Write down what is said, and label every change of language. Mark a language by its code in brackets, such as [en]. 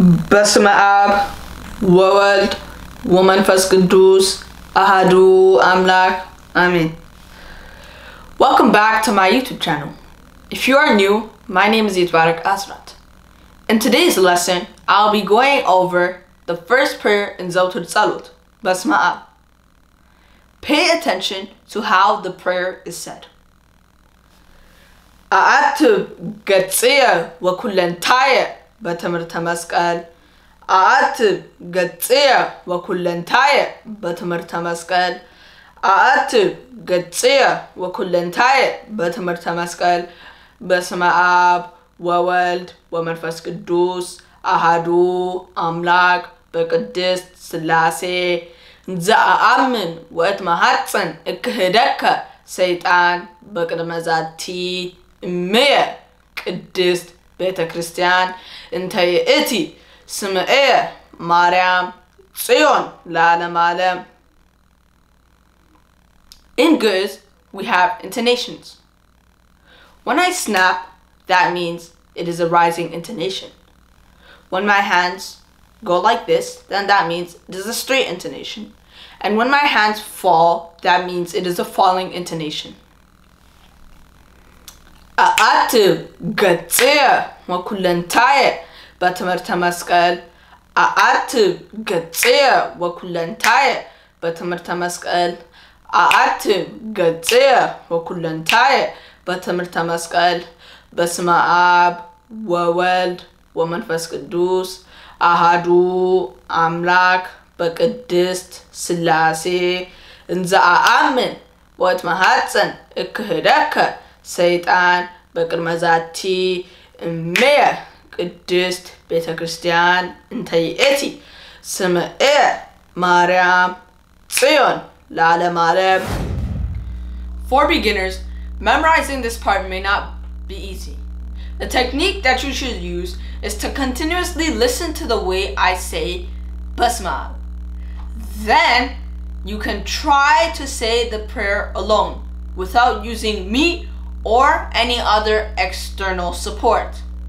[gez] በስመ አብ ወወልድ ወመንፈስ ቅዱስ አሐዱ አምላክ አሜን. [en] Welcome back to my YouTube channel. If you are new, my name is Yetbarek. In today's lesson, I'll be going over the first prayer in Yezewter Tselot, Basma. Pay attention to how the prayer is said. [gez] አአትብ ገጽየ ወኩለንታየ በትምህርተ መስቀል አአትብ ገጽየ ወኩለንታየ በትምህርተ መስቀል አአትብ ገጽየ ወኩለንታየ በትምህርተ መስቀል በስመ አብ ወወልድ ወመንፈስ ቅዱስ አሐዱ አምላክ በቅድስት ስላሴ ዘአምን ወእትመሐፅን እክህደከ ሰይጣን በቅድመ ዛቲ እምየ ቅድስት ቤተ ክርስቲያን እንተ ይእቲ ስምየ ማርያም ጽዮን ለዓለመ ዓለም. [en] In good, we have intonations. When I snap, that means it is a rising intonation. When my hands go like this, then that means it is a straight intonation. And when my hands fall, that means it is a falling intonation. [gez] አአትብ ገጽየ ወኩለንታየ በትምህርተ መስቀል አአትብ ገጽየ ወኩለንታየ በትምህርተ መስቀል አአትብ ገጽየ ወኩለንታየ በትምህርተ መስቀል በስመ አብ ወወልድ ወመንፈስ ቅዱስ አሐዱ አምላክ በቅድስት ስላሴ እንዘ አአምን ወእትመሐፅን እክህደከ ሰይጣን በቅድመ ዛቲ እምየ ቅድስት ቤተ ክርስቲያን እንተ ይእቲ ስምየ ማርያም ጽዮን ለዓለመ ዓለም. [en] For beginners, memorizing this part may not be easy. The technique that you should use is to continuously listen to the way I say basma. Then you can try to say the prayer alone without using me or any other external support.